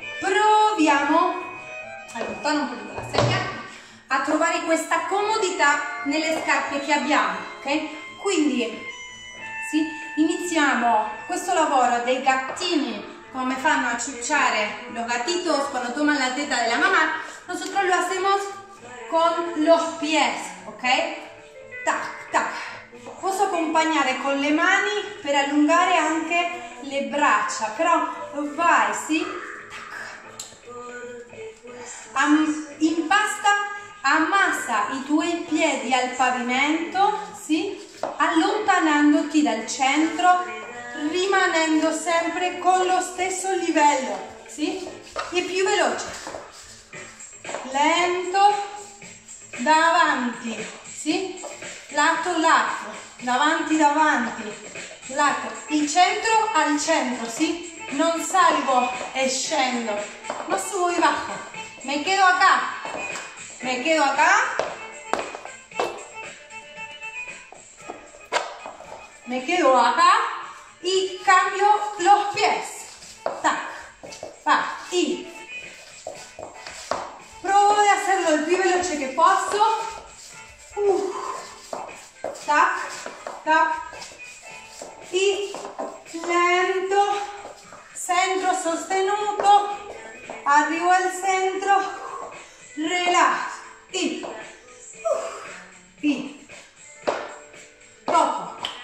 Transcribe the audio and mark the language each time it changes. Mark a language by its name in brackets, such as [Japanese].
[Italian] Proviamo a portar un poquito la sedia a trovare questa comodità nelle scarpe che abbiamo, ok? Quindi, ¿sí? Iniziamo questo lavoro dei gattini, come fanno a ciucciare [Spanish] los gatitos [Italian] quando [Spanish] toman la teta [Italian] della mamma. [Spanish] Nosotros lo hacemos con los pies, ok? Tac, tac. [Italian] Posso accompagnare con le mani per allungare anche le braccia, però vai, sì? Impasta, ammassa i tuoi piedi al pavimento, sì? Allontanandoti dal centro, rimanendo sempre con lo stesso livello, sì? E più veloce, lento, davanti, sì? Lato, lato, davanti, davanti, lato, il centro al centro, sì? Non salgo e scendo, ma su e bajo. [Spanish] Me quedo acá, me quedo acá. Me quedo acá y cambio los pies. Tac, va, y. Provo de hacerlo el más veloce que puedo. Tac, tac. Y lento, centro sostenuto. [Italian] Arrivo al centro. Relaxi. [Spanish] Y. Toco.